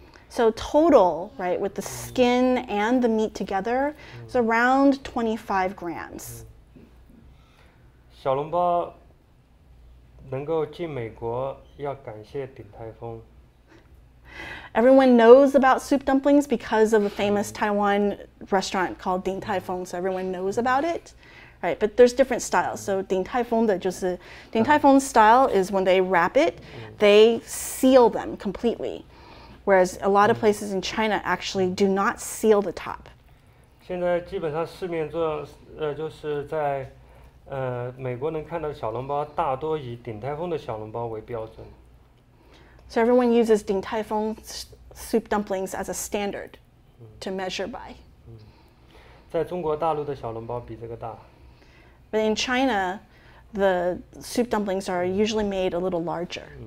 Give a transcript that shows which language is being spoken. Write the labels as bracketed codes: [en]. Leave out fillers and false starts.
[en] So total, right, with the skin and the meat together, is around 25 grams. [zh] 小笼包能够进美国，要感谢鼎泰丰。 [en] Everyone knows about soup dumplings because of a famous Taiwan restaurant called Ding Tai Fung, so everyone knows about it. Right, but there's different styles. So Ding Tai Fung, Ding Tai Fung style is when they wrap it, they seal them completely. Whereas a lot of places in China actually do not seal the top. [zh] 现在基本上市面做，就是在美国能看到小笼包，大多以鼎泰丰的小笼包为标准。 [en] So everyone uses Ding Tai Fung soup dumplings as a standard to measure by. [zh] 在中国大陆的小笼包比这个大。 [en] But in China, the soup dumplings are usually made a little larger.